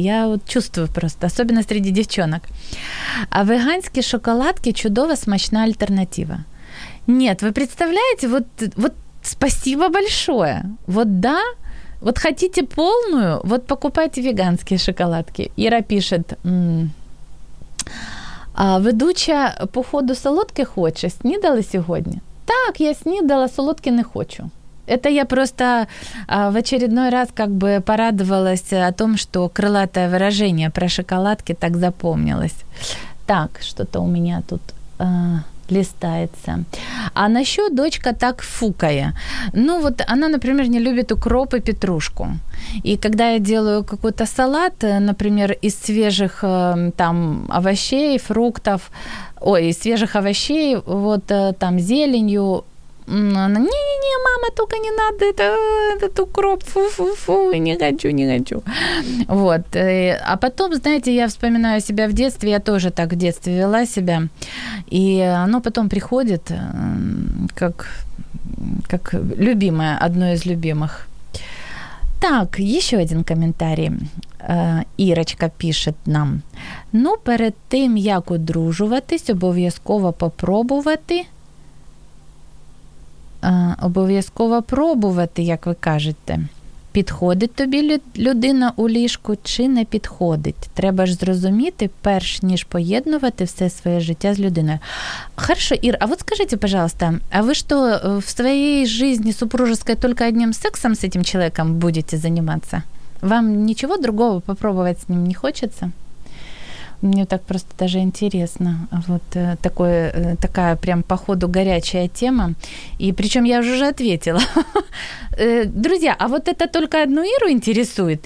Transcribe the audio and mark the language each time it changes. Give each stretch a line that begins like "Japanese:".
Russian: Я вот чувствую просто, особенно среди девчонок. А веганские шоколадки –
Ukrainian: чудово
Russian: смачная альтернатива. Нет, вы представляете, вот спасибо большое. Вот да, вот хотите полную, вот покупайте веганские шоколадки. Ира пишет.
Ukrainian: А ведуча походу солодки хоче, снідали сьогодні? Так, я снідала, солодки не хочу.
Russian: Это я просто в очередной раз как бы порадовалась о том, что крылатое выражение про шоколадки так запомнилось. Так, что-то у меня тут листается. А насчет дочка так фукая. Ну вот она, например, не любит укроп и петрушку. И когда я делаю какой-то салат, например, из свежих там овощей, фруктов, ой, из свежих овощей, вот там зеленью, она: «Не-не-не, мама, только не надо, этот укроп, фу-фу-фу, не хочу». Вот. А потом, знаете, я вспоминаю себя в детстве, я тоже так в детстве вела себя, и оно потом приходит как любимое, одно из любимых. Так, еще один комментарий.
Ukrainian: Ірочка пише нам: «Ну, перед тим, як одружуватись, обов'язково попробувати». Обов'язково пробувати, як ви кажете. Підходить тобі людина у ліжку чи не підходить? Треба ж зрозуміти, перш ніж поєднувати все своє життя з людиною.
Russian: Хорошо,
Ukrainian: Ір, а от скажіть,
Russian: пожалуйста,
Ukrainian: а ви що в своїй житті
Russian: супружеской
Ukrainian: тільки одним сексом з цим чоловіком будете займатися? Вам нічого другого попробувати з ним не хочеться?
Russian: Мне так просто даже интересно. Вот такое, такая прям по ходу горячая тема. И причем я уже ответила. Друзья, а вот это только одну Иру интересует?